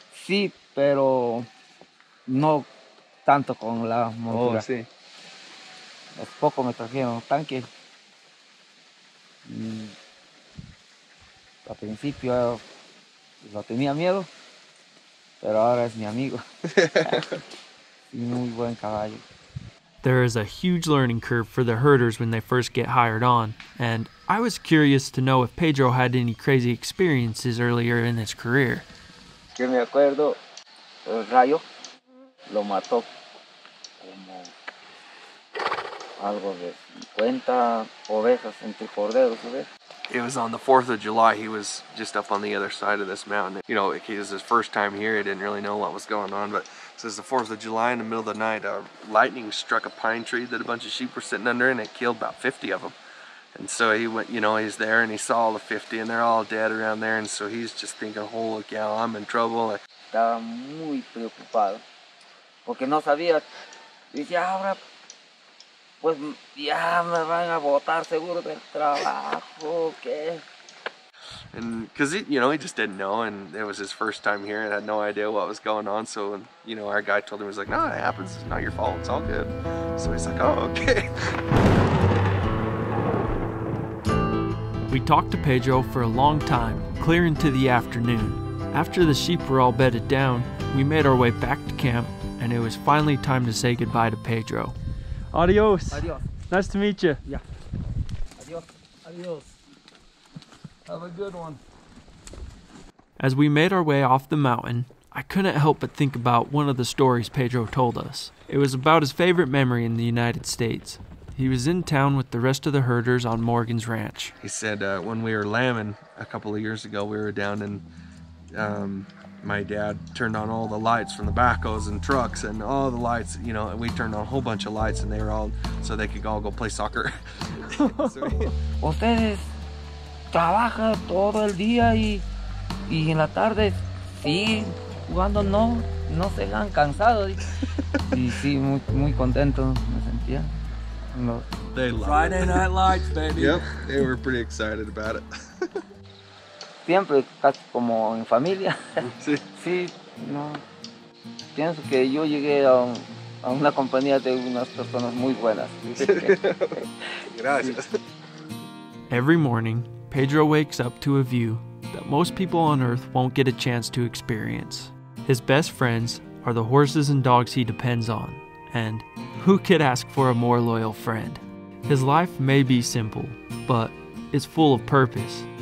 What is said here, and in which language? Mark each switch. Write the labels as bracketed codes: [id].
[es] Sí, pero no tanto con la montura. Oh, sí. Poco me trajeron tanque. Y al principio lo tenía miedo, pero ahora es mi amigo. Y muy buen caballo. [en] There is a huge learning curve for the herders when they first get hired on, and I was curious to know if Pedro had any crazy experiences earlier in his career. [es] Que me acuerdo, el rayo lo mató como algo de 50 ovejas entre corderos, ¿sabes? [en] It was on the 4th of July, he was just up on the other side of this mountain. You know, it was his first time here, he didn't really know what was going on, but says the 4th of July in the middle of the night, lightning struck a pine tree that a bunch of sheep were sitting under and it killed about 50 of them. And so he went, you know, he's there and he saw all the 50 and they're all dead around there. And so he's just thinking, holy cow, I'm in trouble. [es] Estaba muy preocupado porque no sabía. Dice, ahora, pues ya me van a botar seguro del trabajo, ¿qué? [en] And because, you know, he just didn't know, and it was his first time here and had no idea what was going on. So, you know, our guy told him, he was like, no, it happens. It's not your fault. It's all good. So he's like, oh, okay. We talked to Pedro for a long time, clear into the afternoon. After the sheep were all bedded down, we made our way back to camp, and it was finally time to say goodbye to Pedro. [es] Adios. Adios. [en] Nice to meet you. Yeah. [es] Adios. Adios. [en] Have a good one. As we made our way off the mountain, I couldn't help but think about one of the stories Pedro told us. It was about his favorite memory in the United States. He was in town with the rest of the herders on Morgan's ranch. He said when we were lambing a couple of years ago, we were down and my dad turned on all the lights from the backhoes and trucks and all the lights, you know, and we turned on a whole bunch of lights and they were all, so they could all go play soccer. Well, that is... [es] Trabaja todo el día y en la tarde sigue jugando, no se han cansado. Y sí, muy contento me sentía. [en] They love Friday it. Night Lights, baby. Yep, they were pretty excited about it. [es] Siempre casi como en familia. Sí. Sí, no. Pienso que yo llegué a una compañía de unas personas muy buenas. Gracias. [en] Every morning, Pedro wakes up to a view that most people on Earth won't get a chance to experience. His best friends are the horses and dogs he depends on, and who could ask for a more loyal friend? His life may be simple, but it's full of purpose.